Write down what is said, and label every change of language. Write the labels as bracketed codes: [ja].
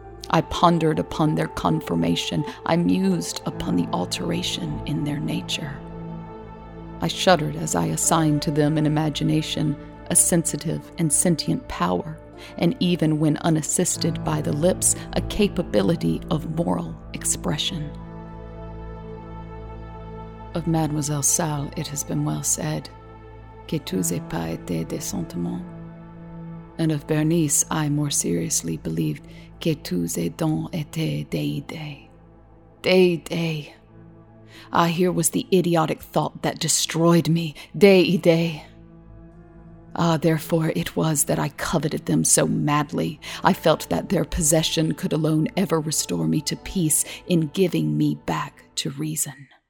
[en] I pondered upon their conformation. I mused upon the alteration in their nature. I shuddered as I assigned to them an imagination, a sensitive and sentient power, and even when unassisted by the lips, a capability of moral expression. Of Mademoiselle Salle, it has been well said, [fr] que tous n'aient pas été des sentiments. [en] And of Berenice, I more seriously believed, [fr] que tous aient donc été des idées. Des idées. [en] Ah, here was the idiotic thought that destroyed me. [fr] Des idées. [en] Ah, therefore it was that I coveted them so madly. I felt that their possession could alone ever restore me to peace in giving me back to reason.